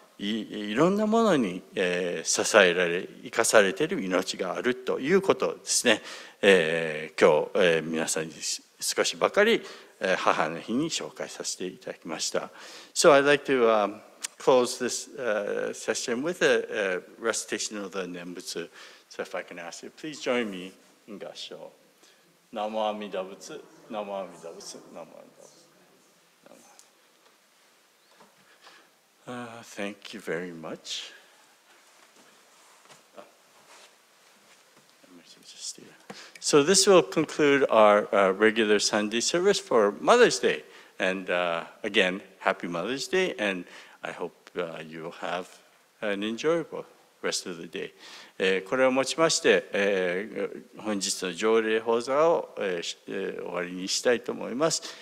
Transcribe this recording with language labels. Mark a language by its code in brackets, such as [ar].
[ja] いろんなものに支えられ生かされている命があるということですね。今日皆さんに少しばかり母の日に紹介させていただきました。 [en] So I'd like to close this session with a recitation of the 念仏. So if I can ask you, please join me in 合唱。 [ja] 南無阿弥陀仏、南無阿弥陀仏、南無阿弥陀仏。 [en] Thank you very much. So this will conclude our regular Sunday service for Mother's Day. And again, happy Mother's Day. And I hope you will have an enjoyable rest of the day. [ja] これをもちまして、本日の条例法座を、終わりにしたいと思います。